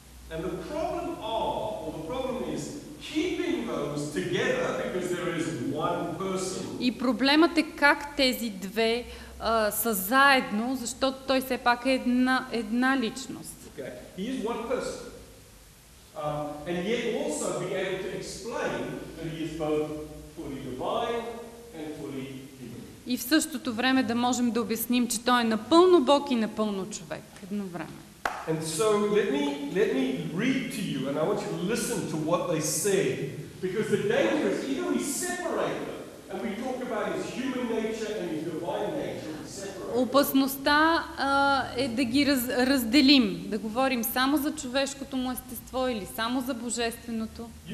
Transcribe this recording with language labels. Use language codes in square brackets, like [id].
[en] And the problem of, or the problem is keeping those together because there is one person. [bg] И проблемът е как тези две са заедно, защото той все пак е една личност. [en] Okay. He is one person. And yet also be able to explain that he is both fully divine and fully human. [bg] И в същото време да можем да обясним, че той е напълно Бог и напълно човек едновременно. [en] And so let me read to you and I want you to listen to what they say, because the danger is either we separate them and we talk about his human nature and his divine nature. [bg] Опасността е да ги разделим, да говорим само за човешкото му естество или само за божественото.